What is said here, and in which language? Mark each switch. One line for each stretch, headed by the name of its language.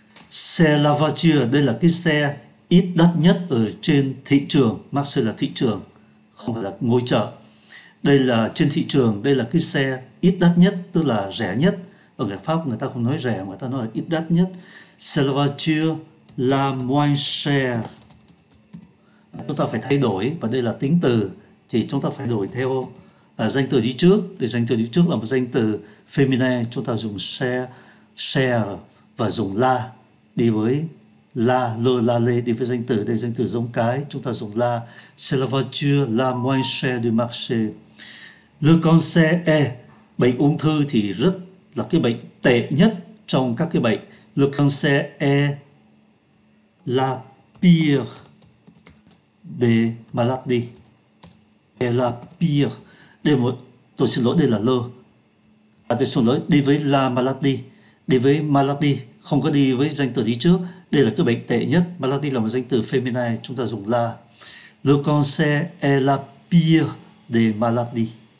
French: C'est la voiture,
Vietnamese: đây là cái xe ít đắt nhất ở trên thị trường. Marché là thị trường, không phải là ngôi chợ. Đây là trên thị trường, đây là cái xe ít đắt nhất, tức là rẻ nhất. Ở người Pháp người ta không nói rẻ, người ta nói là ít đắt nhất.
French: C'est la voiture la moins chère.
Vietnamese: Chúng ta phải thay đổi, và đây là tính từ, thì chúng ta phải đổi theo danh từ đi trước. Thì danh từ đi trước là một danh từ feminine, chúng ta dùng xe, xe, và dùng la đi với la, le, la, le đi với danh từ. Đây danh từ giống cái, chúng ta dùng la.
French: C'est la voiture la moins chère du marché. Le cancer est,
Vietnamese: bệnh ung thư thì rất là cái bệnh tệ nhất trong các cái bệnh.
French: Le cancer est la pire des maladies. Est la pire.
Vietnamese: Đây một, tôi xin lỗi, đây là le. À, tôi xin lỗi, đi với la maladie. Đi với maladie, không có đi với danh từ đi trước. Đây là cái bệnh tệ nhất. Maladie là một danh từ feminine, chúng ta dùng la.
French: Le cancer est la pire des maladies.